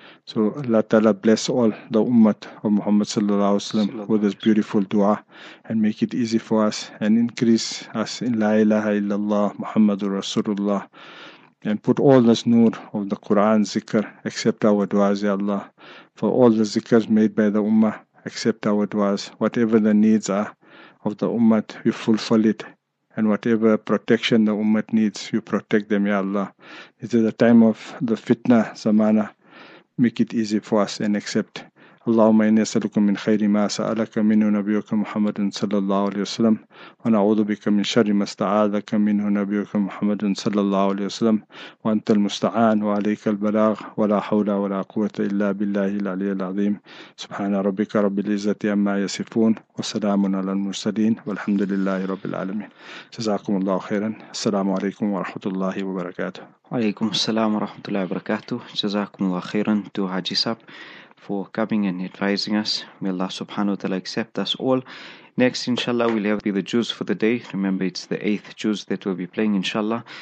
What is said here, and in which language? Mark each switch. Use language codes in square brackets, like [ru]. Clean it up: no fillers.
[en] So Allah Ta'ala bless all the ummah of Muhammad sallallahu alayhi wasallam with this beautiful dua, and make it easy for us and increase us in [ar] la ilaha illallah Muhammadur Rasulullah, [en] and put all this nur of the Quran zikr, accept our duas, ya Allah, for all the zikrs made by the ummah. Accept our duas. Whatever the needs are of the Ummah, you fulfill it. And whatever protection the Ummah needs, you protect them, ya Allah. This is the time of the fitna, zamana. Make it easy for us and accept. [ar] اللهم إني أسألك من خير ما سألك منه نبيك محمد صلى الله عليه وسلم ونعوذ بك من شر ما استعاذك منه نبيك محمد صلى الله عليه وسلم وأنت المستعان وعليك البلاغ ولا حول ولا قوة إلا بالله العلي العظيم سبحان ربك رب العزة عما يصفون وسلام على المرسلين والحمد لله رب العالمين جزاكم الله خيرا السلام عليكم ورحمة الله وبركاته عليكم السلام ورحمة الله وبركاته جزاكم الله خيرا [ur] تو حاجي ساب [en] for coming and advising us. May Allah subhanahu wa ta'ala accept us all. Next, inshallah, we'll have the Jews for the day. Remember, it's the 8th Jews that we'll be playing, inshallah.